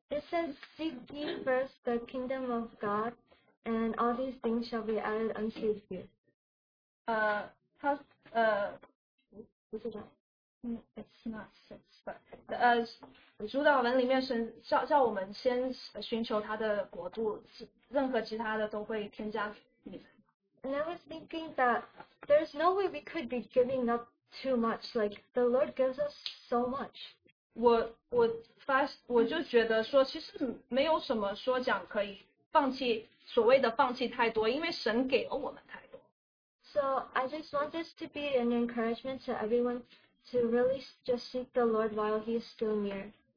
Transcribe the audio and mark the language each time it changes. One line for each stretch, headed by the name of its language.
English: It says, seek ye first the kingdom of God, and all these things shall be added unto you.
Chinese: 主导文里面是叫我们先寻求他的国度，任何其他的都会添加给你们。
English: And I was thinking that there's no way we could be giving up too much. Like the Lord gives us so much.
Chinese: 我就觉得说，其实没有什么说讲可以放弃，所谓的放弃太多，因为神给了我们太多。
English: So I just want this to be an encouragement to everyone to really just seek the Lord while He is still near.